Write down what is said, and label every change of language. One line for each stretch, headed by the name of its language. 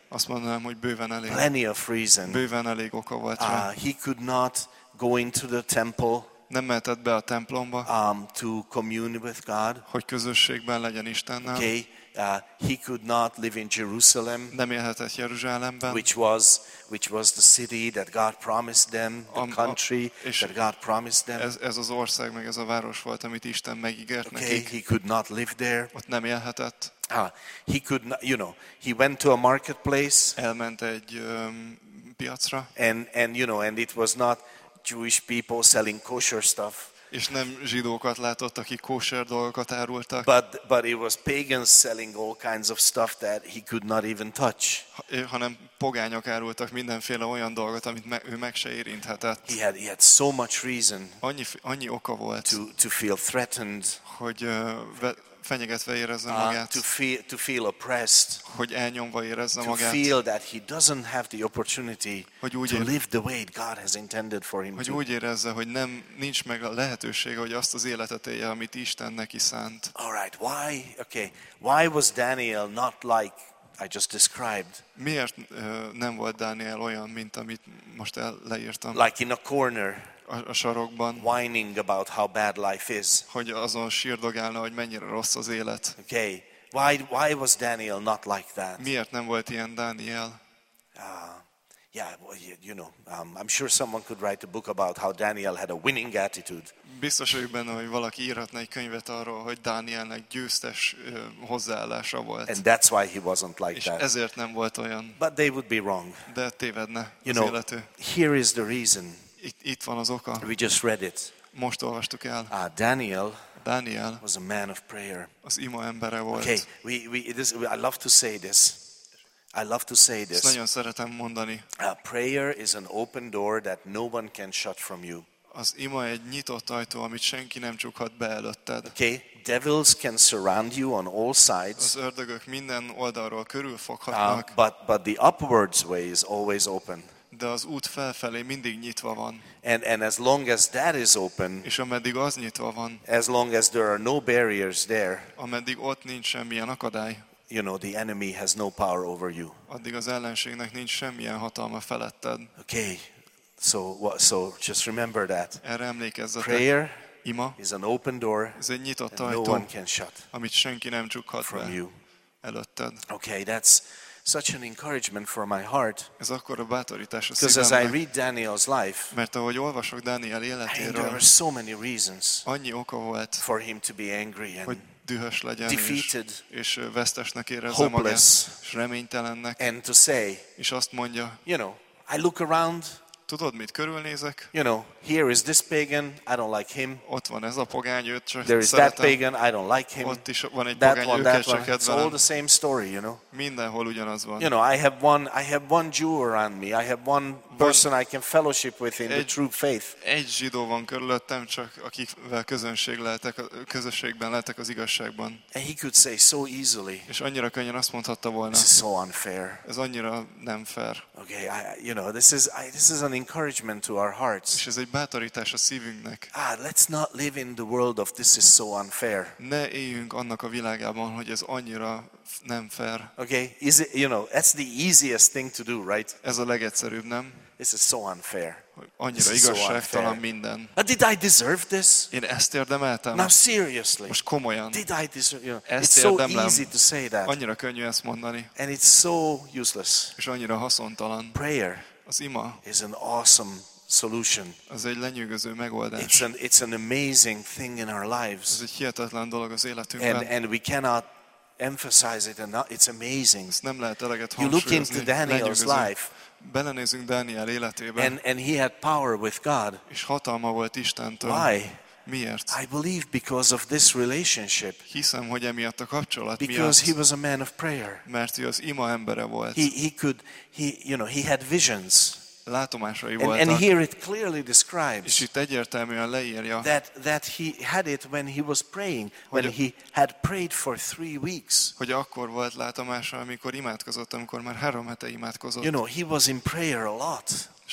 Hungarian: Azt mondanám, hogy bőven elég.
English: Plenty of reason.
Hungarian: Bőven elég oka volt rá.
English: He could not go into the temple.
Hungarian: Nem mehetett be a templomba.
English: To commune with God.
Hungarian: Hogy közösségben legyen Istennel.
English: Okay. He could not live in Jerusalem.
Hungarian: Nem élhetett Jeruzsálemben.
English: Which was the city that God promised them, the country that God promised them.
Hungarian: Ez az ország meg ez a város volt, amit Isten megígért nekik.
English: Okay, he could not live there.
Hungarian: Ott nem élhetett.
English: He could not, you know, he went to a marketplace.
Hungarian: Elment egy piacra.
English: And you know, and it was not Jewish people selling kosher stuff.
Hungarian: És nem zsidókat látott, akik kosher dolgokat árultak.
English: But it was pagans selling all kinds of stuff that he could not even touch.
Hungarian: Hanem pogányok árultak mindenféle olyan dolgot, amit ő meg se érinthetett.
English: He had so much reason.
Hungarian: Annyi oka volt.
English: To feel threatened.
Hungarian: Hogy fenyegetve érezze magát.
English: To feel oppressed. Hogy elnyomva érezze magát. To feel that he doesn't have the opportunity to live the way God has intended for him.
Hungarian: Hogy úgy érezze, hogy nem nincs meg a lehetősége, hogy azt az életet élje, amit Isten neki szánt.
English: All right. Why? Okay. Why was Daniel not like I just described?
Hungarian: Miért nem volt Daniel olyan, mint amit most leírtam?
English: Like in a corner.
Hungarian: A sarokban,
English: whining about how bad life is.
Hungarian: Hogy azon sírdogálna, hogy mennyire rossz az élet.
English: Okay. Why was Daniel not like that?
Hungarian: Miért nem volt ilyen Daniel?
English: I'm sure someone could write a book about how Daniel had a winning attitude.
Hungarian: Biztos vagyok benne, hogy valaki írhatna egy könyvet arról, hogy Dánielnek győztes hozzáállása volt.
English: And that's why he wasn't like that.
Hungarian: És ezért nem volt olyan.
English: But they would be wrong.
Hungarian: De tévedne az
English: you know,
Hungarian: élető.
English: Here is the reason.
Hungarian: Itt van az oka.
English: We just read it.
Hungarian: Most olvastuk el.
English: Daniel was a man of prayer.
Hungarian: Az ima embere volt.
English: Okay, I love to say this.
Hungarian: Nagyon szeretem mondani.
English: Prayer is an open door that no one can shut from you.
Hungarian: Az ima egy nyitott ajtó, amit senki nem csukhat be előtted.
English: Okay, devils can surround you on all sides.
Hungarian: Az ördögök minden oldalról körülfoghatnak.
English: But the upwards way is always open.
Hungarian: De az út felfelé mindig nyitva van.
English: And as long as that is open,
Hungarian: és ameddig az nyitva van,
English: as long as there are no barriers there,
Hungarian: ameddig ott nincs semmilyen akadály,
English: you know, the enemy has no power over you.
Hungarian: Addig az ellenségnek nincs semmilyen hatalma feletted.
English: Okay, so just remember that.
Hungarian: Erre emlékezzetek.
English: Prayer
Hungarian: ima
English: is an open door,
Hungarian: ez egy nyitott ajtó,
English: no one can shut
Hungarian: amit senki nem csukhat
English: from
Hungarian: be
English: you
Hungarian: előtted.
English: Okay, that's such an encouragement for my heart.
Hungarian: Ez akkor a bátorítás a szívemnek.
English: Because as I read Daniel's life,
Hungarian: mert ahogy olvasok Dániel életéről,
English: there are so many reasons
Hungarian: annyi oka volt,
English: for him to be angry and
Hungarian: hogy dühös legyen,
English: defeated,
Hungarian: és vesztesnek érezze magát, és reménytelennek,
English: and to say,
Hungarian: és azt mondja,
English: you know, I look around,
Hungarian: tudod mit, körülnézek,
English: you know, here is this pagan, I don't like him,
Hungarian: ott van ez a pogány, őt csak
English: there is
Hungarian: szeretem,
English: that pagan, I don't like him,
Hungarian: ott is van egy that pogány, one, őket csak kedvelem,
English: it's all the same story, you know,
Hungarian: mindenhol ugyanaz van,
English: you know, I have one Jew around me, I have one person I can fellowship with in the true faith,
Hungarian: egy zsidó van körülöttem csak, akivel közösségben lehetek az igazságban,
English: and he could say so easily,
Hungarian: és annyira könnyen azt mondhatta volna,
English: this is so unfair,
Hungarian: ez annyira nem fair,
English: okay, this is an encouragement to our hearts.
Hungarian: És ez egy bátorítás a szívünknek.
English: Let's not live in the world of this is so unfair.
Hungarian: Ne éljünk annak a világában, hogy ez annyira nem fair.
English: Okay, is it, you know, that's the easiest thing to do, right?
Hungarian: Ez a legegyszerűbb, nem?
English: This is so unfair.
Hungarian: Annyira igazságtalan minden.
English: Did I deserve this?
Hungarian: Én ezt érdemeltem.
English: Now seriously.
Hungarian: Most komolyan.
English: Did I deserve, you know, it's so easy to say that.
Hungarian: Annyira könnyű ezt mondani.
English: And it's so useless.
Hungarian: És annyira haszontalan.
English: Prayer.
Hungarian: Az ima
English: is an awesome solution.
Hungarian: Az egy lenyűgöző megoldás.
English: It's an amazing thing in our lives.
Hungarian: Ez egy hihetetlen dolog az életünkben.
English: And we cannot emphasize it enough. It's amazing.
Hungarian: Ezt nem lehet eleget hangsúlyozni.
English: You look into Daniel's life.
Hungarian: Belenézünk Dániel életébe.
English: And he had power with God.
Hungarian: És hatalma volt Istentől.
English: Why?
Hungarian: Miért?
English: I believe because of this relationship.
Hungarian: Hiszem, hogy emiatt a kapcsolat miatt.
English: Because he was a man of prayer.
Hungarian: Mert ő az ima embere volt.
English: He could, he, you know, he had visions.
Hungarian: látomásai voltak.
English: And here it clearly describes.
Hungarian: És itt egyértelműen leírja.
English: That he had it when he was praying, when he had prayed for 3 weeks.
Hungarian: Hogy akkor volt látomása, amikor imádkozott, amikor már 3 hete imádkozott.
English: You know, he was in prayer a lot.